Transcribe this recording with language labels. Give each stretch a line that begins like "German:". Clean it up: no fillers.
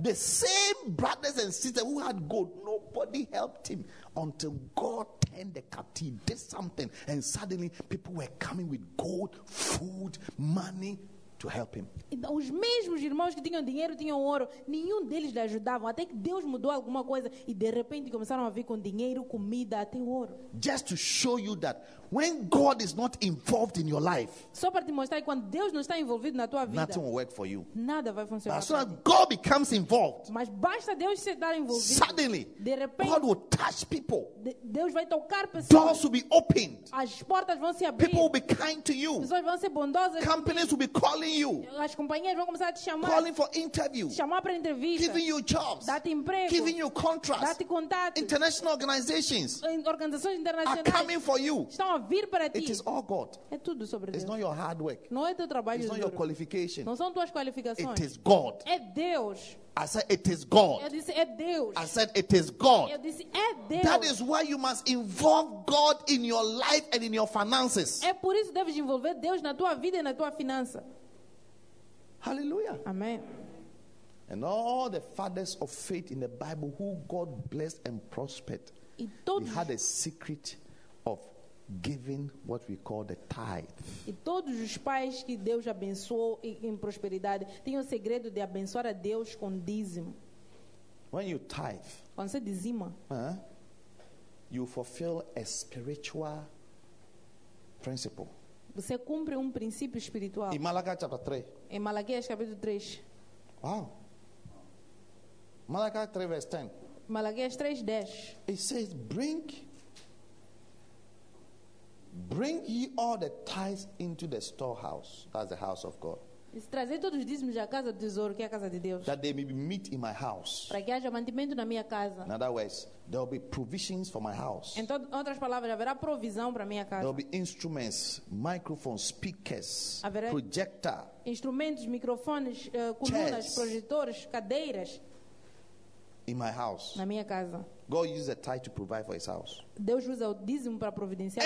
English: The same brothers and sisters who had gold, nobody helped him until God turned the captive, did something, and suddenly people were coming with gold, food, money. To help him.
Portuguese: Então, os mesmos irmãos que tinham dinheiro, tinham ouro, nenhum deles lhe ajudavam, até que Deus mudou alguma coisa e de repente começaram a vir com dinheiro, comida, até ouro.
English: Just to show you that when God is not involved in your life,
Portuguese: só para te mostrar que quando Deus não está envolvido na tua vida,
English: nothing will work for you.
Portuguese: Nada vai funcionar.
English: But as soon as God becomes involved,
Portuguese: mas basta Deus se dar envolvido,
English: suddenly,
Portuguese: de repente,
English: God will touch people.
Portuguese: Deus vai tocar pessoas.
English: Doors will be opened.
Portuguese: As portas vão se abrir.
English: People will be kind to you.
Portuguese: Pessoas vão ser bondosas.
English: Companies will be calling you.
Portuguese: As companhias vão começar a te chamar.
English: Calling for interviews.
Portuguese: Chamar para entrevistas.
English: Giving you jobs.
Portuguese: Dá-te emprego.
English: Giving you contracts.
Portuguese: Dá-te contatos.
English: International organizations.
Portuguese: Organizações internacionais.
English: Are coming for you.
Portuguese: Estão a vir para ti.
English: It is all God.
Portuguese: É tudo sobre Deus.
English: It's not your hard work.
Portuguese: Não é teu trabalho.
English: It's not your qualification.
Portuguese: Não são tuas qualificações.
English: It is God.
Portuguese: É Deus.
English: I said it is God.
Portuguese: Eu disse, é Deus.
English: I said it is God.
Portuguese: Eu disse, é Deus.
English: That is why you must involve God in your life and in your finances.
Portuguese: É por isso que deves envolver Deus na tua vida e na tua finança.
English: Hallelujah.
Portuguese: Amém.
English: And all the fathers of faith in the Bible who God blessed and prospered, they had a secret of giving what we call the tithe.
Portuguese: E todos os pais que Deus abençoou em prosperidade têm o segredo de abençoar a Deus com dízimo.
English: When you tithe,
Portuguese: quando você dizima,
English: you fulfill a spiritual principle.
Portuguese: Você cumpre princípio espiritual. Em Malaquias capítulo 3. Em Malaquias capítulo 3.
English: Wow. Malaquias 3:10.
Portuguese: Malaquias 3:10.
English: It says, bring ye all the tithes into the storehouse, that's the house of God.
Portuguese: Trazer todos os dízimos à casa do tesouro, que é a casa de Deus.
English: That they may be meat in my house.
Portuguese: Para que haja mantimento na minha casa.
English: In other words, there will be provisions for my house.
Portuguese: Em outras palavras, haverá provisão para minha casa.
English: There will be instruments, microphones, speakers,
Portuguese: haverá
English: projector.
Portuguese: Instrumentos, microfones, colunas, projetores, cadeiras.
English: In my house.
Portuguese: Na minha casa.
English: God uses a tithe to provide for His house.
Portuguese: Deus usa o dízimo para providenciar